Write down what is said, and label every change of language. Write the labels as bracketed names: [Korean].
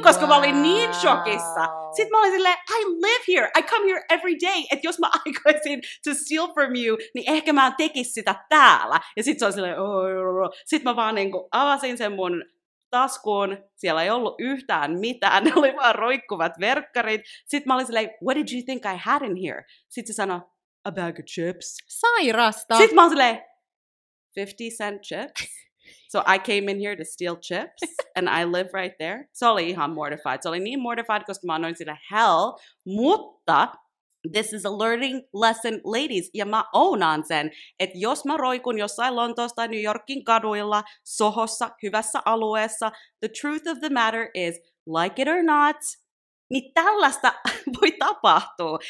[Finnish] Koska mä olin niin shokissa. Sitten mä olin silleen, [English] I live here. I come here every day. [Finnish] Että jos mä aikaisin [English] to steal from you, [Finnish] niin ehkä mä tekis sitä täällä. Ja sit se on silleen, oh. Sitten mä vaan niinku avasin sen mun taskuun. Siellä ei ollut yhtään mitään. Ne oli vaan roikkuvat verkkarit. Sitten mä olin silleen, [English] what did you think I had in here? [Finnish] Sitten se sanoi, [English] a bag of chips. [Finnish] Sairasta. Sitten mä olin silleen, [English] 50-cent chips. So I came in here to steal chips, and I live right there. [Finnish] Se oli ihan mortified. Se oli niin mortified, koska mä annoin sitä hell. Mutta [English] this is a learning lesson, ladies. [Finnish] Ja mä ownaan sen, että jos mä roikun jossain Lontoossa tai New Yorkin kaduilla, Sohossa, hyvässä alueessa, [English] the truth of the matter is, like it or not, [Finnish] niin tällaista voi tapahtua.